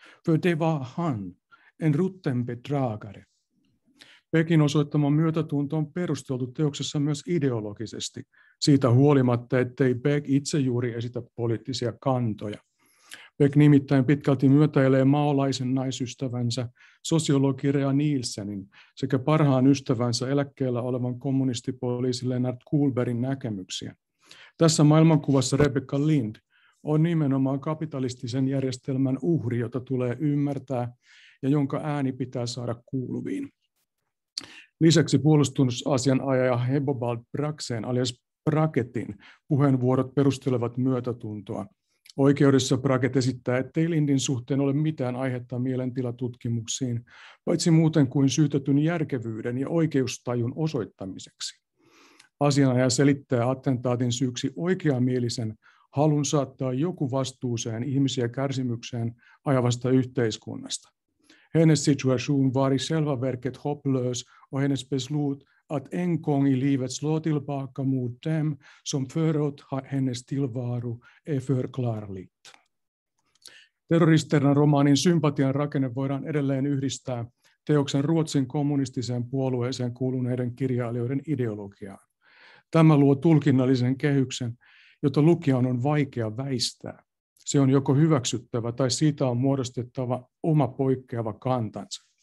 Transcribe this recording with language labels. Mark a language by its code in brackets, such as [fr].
[sv] För det var han, en rutten bedragare. [fi] Beckin osoittama myötätunto on perusteltu teoksessa myös ideologisesti, siitä huolimatta, ettei Beck itse juuri esitä poliittisia kantoja. Beck nimittäin pitkälti myötäilee maolaisen naisystävänsä sosiologi Rea Nielsenin sekä parhaan ystävänsä eläkkeellä olevan kommunistipoliisi Lennart Kuhlbergin näkemyksiä. Tässä maailmankuvassa Rebecca Lind on nimenomaan kapitalistisen järjestelmän uhri, jota tulee ymmärtää ja jonka ääni pitää saada kuuluviin. Lisäksi puolustusasianajaja Hebobald Braxen alias Braketin puheenvuorot perustelevat myötätuntoa. Oikeudessa Braget esittää, ettei Lindin suhteen ole mitään aihetta mielentilatutkimuksiin, paitsi muuten kuin syytetyn järkevyyden ja oikeustajun osoittamiseksi. Asianajaja selittää attentaatin syyksi oikeamielisen halun saattaa joku vastuuseen ihmisiä kärsimykseen ajavasta yhteiskunnasta. [sv] Hennes situation var i själva verket hopplös och hennes beslut att en gång i livet slå tillbaka mot dem som föråt hennes tillvaro är förklarligt. [fi] Terroristerna romaanin sympatian rakenne voidaan edelleen yhdistää teoksen Ruotsin kommunistiseen puolueeseen kuuluneiden kirjailijoiden ideologiaan. Tämä luo tulkinnallisen kehyksen, jota lukijan on vaikea väistää. Se on joko hyväksyttävä tai siitä on muodostettava oma poikkeava kantansa.